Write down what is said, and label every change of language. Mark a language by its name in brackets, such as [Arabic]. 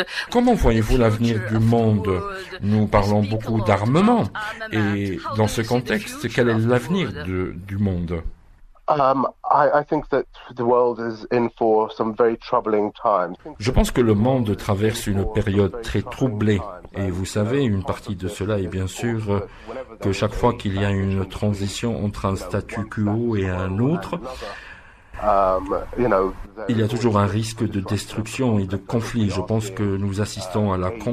[French] Comment voyez-vous l'avenir du monde? Nous parlons beaucoup d'armement. Et dans ce contexte, quel est l'avenir du monde? [English] I think that the world is in for some very troubling times. [French] Je pense que le monde traverse une période très troublée. Et vous savez, une partie de cela est bien sûr que chaque fois qu'il y a une transition entre un statu quo et un autre, il y a toujours un risque de destruction et de conflit. Je pense que nous assistons à la